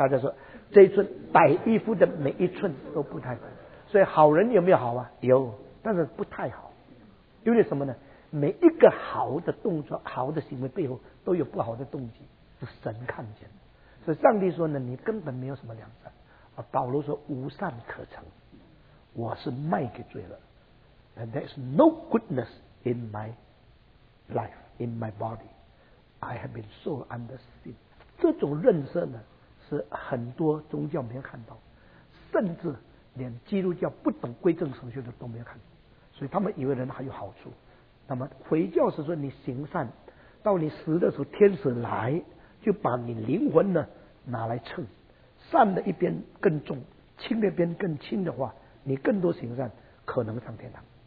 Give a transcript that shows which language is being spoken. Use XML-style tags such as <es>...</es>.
<zh>大家说这一寸白衣服的每一寸都不太白。所以好人有没有好啊？有，但是不太好。因为什么呢？每一个好的动作好的行为背后都有不好的动机，是神看见的。所以上帝说呢，你根本没有什么良善。保罗说无善可成，我是卖给罪了，</zh> <en>and there's no goodness in my life in my body I have been sold under sin。</en> <zh>这种认识呢是很多宗教没有看到，甚至连基督教不懂归正神学的都没有看到，所以他们以为人还有好处。那么回教是说你行善到你死的时候天使来就把你灵魂呢拿来称，善的一边更重，轻的一边更轻的话，你更多行善可能上天堂。</zh>